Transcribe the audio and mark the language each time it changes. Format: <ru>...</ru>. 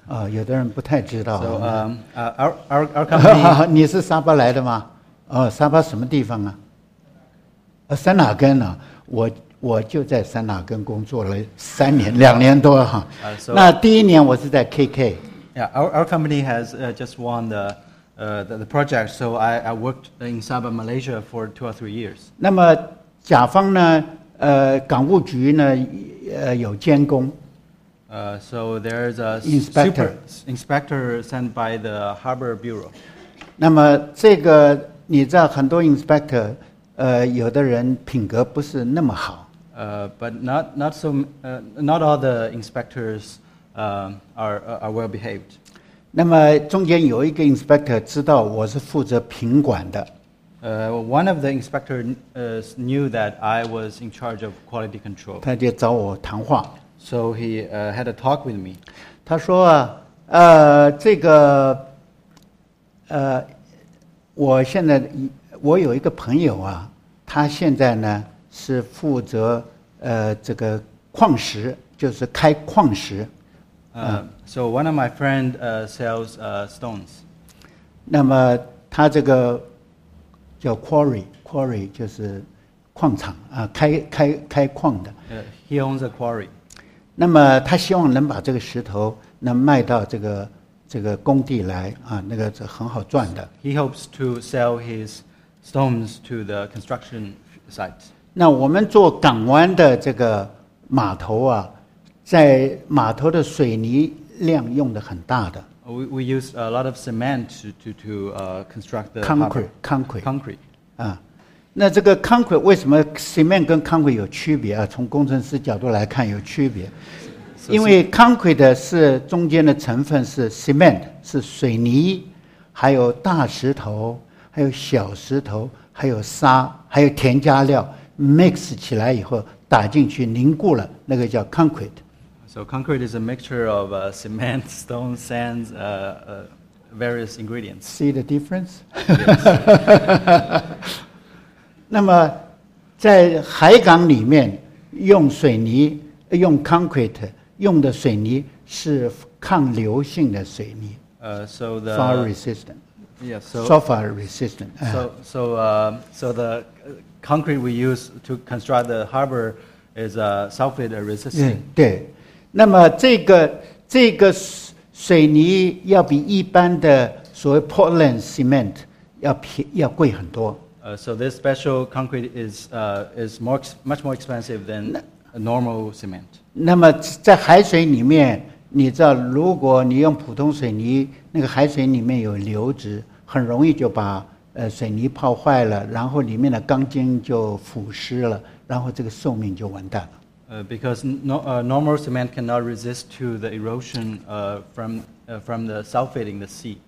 <zh>有的人不太知道。</zh> <en>So, our company.</en> <zh>你是沙巴来的吗？沙巴什么地方啊？三哪根呢？我就在三哪根工作了两年多哈。那第一年我是在 KK。</zh> <en>Our company has just won the project, so I worked in Sabah, Malaysia for 2 or 3 years.</en> <zh>那么甲方呢？港务局呢？有监工。</zh> <en>So there's a inspector. Super inspector sent by the Harbor Bureau.</en> <zh>那么这个你知道很多 inspector。有的人品格不是那么好。</zh> <en>But not all the inspectors are well behaved.</en> <zh>那么中间有一个 inspector 知道我是负责品管的。</zh> <en>One of the inspectors knew that I was in charge of quality control.</en> <zh>他就找我谈话。</zh> <en>So he had a talk with me.</en> <zh>他说这个我现在我有一个朋友啊。他现在呢是负责这个矿石，就是开矿石。</zh> <en>So one of my friends sells stones.</en> <zh>那么他这个叫 quarry 就是矿场啊，开矿的。</zh> <en>He owns a quarry.</en> <zh>那么他希望能把这个石头能卖到这个工地来啊，那个是很好赚的。</zh> <en>He hopes to sell his stones to the construction site.</en> <zh>那我们做港湾的这个码头啊，在码头的水泥量用的很大的。</zh> <en>We use a lot of cement to construct the concrete. 啊，</en> <zh>那这个 concrete 为什么 cement 跟 concrete 有区别啊？从工程师角度来看有区别，因为 concrete 是中间的成分是 cement， 是水泥，还有大石头。还有小石头，还有沙，还有添加料 ，mix 起来以后打进去凝固了，那个叫 concrete。</zh> <en>So concrete is a mixture of cement, stone, sand, various ingredients. See the difference? Yes.</en> <zh>那么在海港里面用水泥、用 concrete 用的水泥是抗流性的水泥</zh> <en>，so the fire resistant。 Yes, so fire resistant. So the concrete we use to construct the harbor is sulfate resistant.</en> <zh>对，那么这个水泥要比一般的所谓 Portland cement 要贵很多。</zh> <en>So this special concrete is much more expensive than normal cement.</en> <zh>那么在海水里面，你知道，如果你用普通水泥，那个海水里面有硫质。很容易就把水泥泡坏了，然后里面的钢筋就腐蚀了，然后这个寿命就完蛋了。</zh> <en>Because normal cement cannot resist to the erosion from the sulfate in the sea.</en>